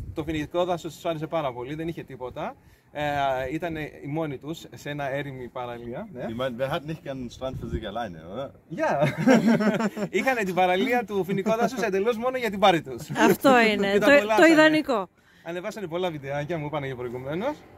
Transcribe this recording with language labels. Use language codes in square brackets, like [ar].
[el] Το φοινικό δάσος τους άρεσε πάρα πολύ, δεν είχε τίποτα. Ήταν οι μόνοι τους σε ένα έρημη παραλία. [de] Wer hat nicht gern einen Strand für sich alleine, oder? Ja. [el] Είχαν την παραλία του φοινικό δάσους εντελώς μόνο για την πάρη τους. Αυτό είναι, το ιδανικό. Ανεβάσανε πολλά βιντεάκια, μου είπανε και προηγουμένως.